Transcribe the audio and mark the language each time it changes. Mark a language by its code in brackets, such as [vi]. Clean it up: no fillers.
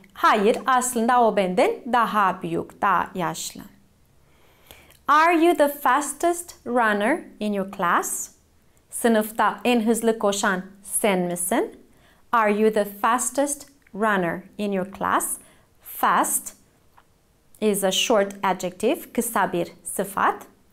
[tr] Hayır, aslında o benden daha büyük, daha yaşlı. [en] Are you the fastest runner in your class? [tr] Sınıfta en hızlı koşan sen misin? [en] Are you the fastest runner in your class? Fast is a short adjective, [tr] kısa bir sıfat.